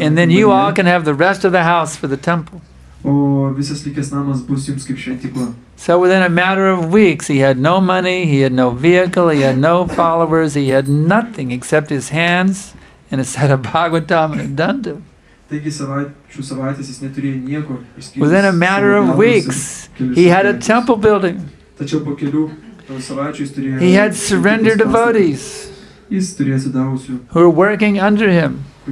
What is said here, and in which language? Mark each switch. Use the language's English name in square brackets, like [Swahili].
[English] And then you all can have the rest of the house for the temple. [Lithuanian] O visas likęs namas bus jums kaip šventykla. [English] So within a matter of weeks he had no money, he had no vehicle, he had no followers, he had nothing except his hands and a set of Bhagavatam and a danda. [Lithuanian] Taigi savaitės jis neturėjo nieko. [English] Within a matter of weeks he had a temple building. [Lithuanian] Tačiau po kelių savaičių jis turėjo. [English] He had surrendered devotees. Who were working under him.